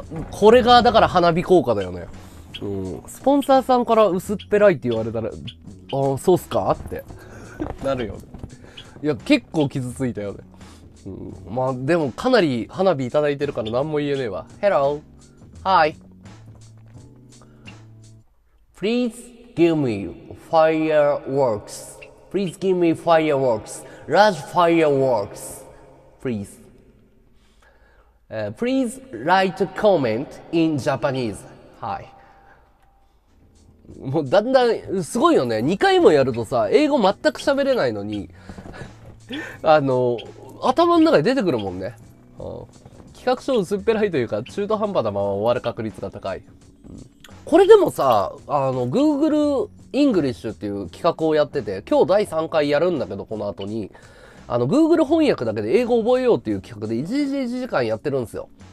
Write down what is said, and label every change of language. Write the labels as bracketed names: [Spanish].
[Japanese] これがだから花火効果だよね。うん。スポンサーさんから薄っぺらいって言われたら、ああ、そうっすかってなるよね。いや、結構傷ついたよね。うん。まあでもかなり花火いただいてるから何も言えねえわ。 [English] Hello! Hi! Please give me fireworks. Please give me fireworks. Large fireworks. Please. Please write a comment in Japanese. [Japanese] はい。もうだんだんすごいよね。2回もやるとさ、英語全く喋れないのに、頭の中に出てくるもんね。企画書薄っぺらいというか、中途半端なまま終わる確率が高い。これでもさ、Google English っていう企画をやってて、今日第3回やるんだけど、この後に、Google 翻訳だけで英語覚えようっていう企画で、1時間やってるんですよ。